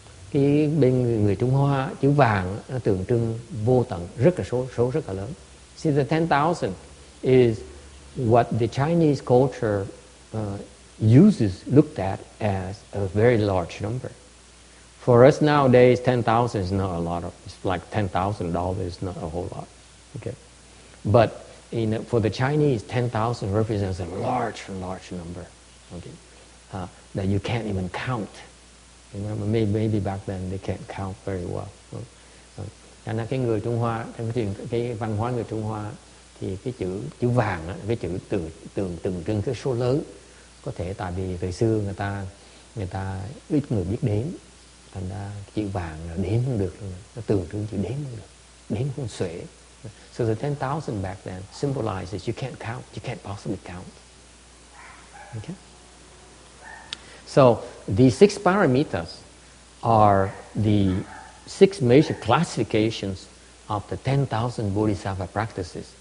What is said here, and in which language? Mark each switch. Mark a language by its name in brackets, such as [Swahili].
[Vietnamese] Cái bên người Trung Hoa chữ vàng nó tượng trưng vô tận, rất là số rất là lớn. [English] See, the 10,000 is what the Chinese culture looked at as a very large number. For us nowadays, 10,000 is not a lot. It's like $10,000 is not a whole lot. Okay. But for the Chinese, 10,000 represents a large number. Okay, that you can't even count. Remember, maybe back then they can't count very well. [Vietnamese] Cho nên cái người Trung Hoa, cái văn hóa người Trung Hoa thì cái chữ vàng á, cái chữ tượng trưng cái số lớn. Có thể tại vì từ xưa người ta ít người biết đếm, thành ra chữ vàng là đếm không được, nó tượng trưng chữ đếm không được, đếm không xuể. [English] So the 10,000 back then symbolizes you can't count, you can't possibly count. Okay. So these six paramitas are the six major classifications of the 10,000 bodhisattva practices.